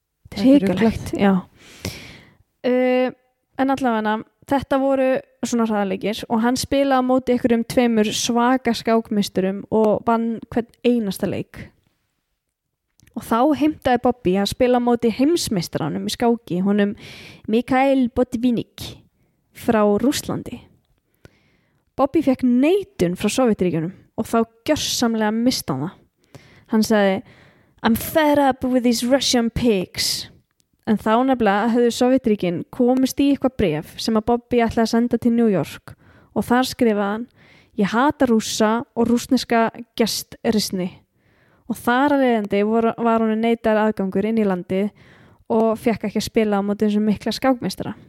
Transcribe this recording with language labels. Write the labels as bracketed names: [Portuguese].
[Icelandic] Það er hikalegt, já. En allavega, þetta voru svona hraðleikir og hann spilaði á móti ykkur tveimur svaka skákmeisturum og vann hvern einasta leik. Og þá heimtaði Bobby að spila á móti heimsmeistranum í skáki, honum Mikhail Botvinnik frá Rússlandi. Bobby fekk neitun frá Sovjetríkjunum og þá gjörsamlega mista hann það. Hann sagði, [English] I'm fed up with these Russian pigs. [Icelandic] En þá nefnilega höfðu Sovjetríkin komist í eitthvað bréf sem að Bobby ætlaði að senda til New York og þar skrifaði hann, ég hata rússa og rússneska gestrisni. Og þar að leiðandi var hún neitar aðgangur inn í landið og fekk ekki að spila á móti þessum mikla skákmeistara.